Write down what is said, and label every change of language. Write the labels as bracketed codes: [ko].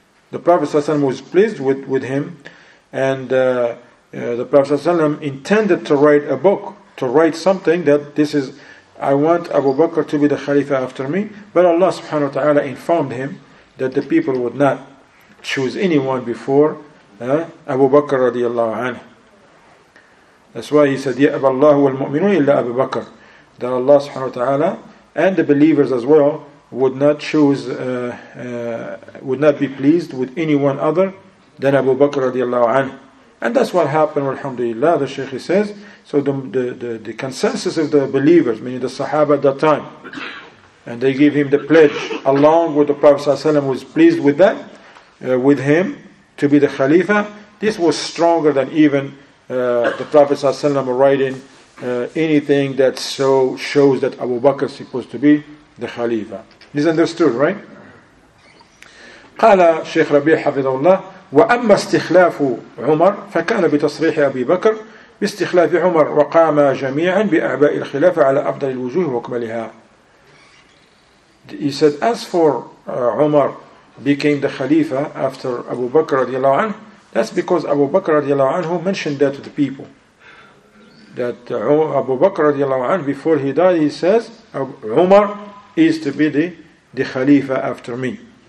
[en] The Prophet ﷺ was pleased with him, and the Prophet ﷺ intended to write a book, to write something that this is, I want Abu Bakr to be the Khalifa after me, but Allah subhanahu wa ta'ala informed him that the people would not choose anyone before Abu Bakr radiallahu anhu. That's why he said, [ar] يَأَبَى اللَّهُ وَالْمُؤْمِنُونَ إِلَّا أَبَى بَكْرٍ. [en] That Allah subhanahu wa ta'ala and the believers as well would not choose, would not be pleased with anyone other than Abu Bakr radiallahu anhu. And that's what happened, alhamdulillah, the Shaykh says. So the consensus of the believers, meaning the Sahaba at that time, and they gave him the pledge along with the Prophet sallallahu alayhi wa sallam was pleased with that, with him to be the Khalifa. This was stronger than even the Prophet ﷺ writing anything that so shows that Abu Bakr is supposed to be the Khalifa. This is understood, right? [ar] قال شيخ ربيع حفظه الله وأما استخلاف عمر فكان بتصريح أبي بكر باستخلاف عمر وقام جميعا بأعباء الخلافة على أفضل الوجوه وكملها. [en] He said, as for Umar became the Khalifa after Abu Bakr [ar] رضي الله عنه, [en] that's because Abu Bakr radiallahu anhu mentioned that to the people. That Abu Bakr radiallahu anhu, before he died, he says, Umar is to be the Khalifa after me.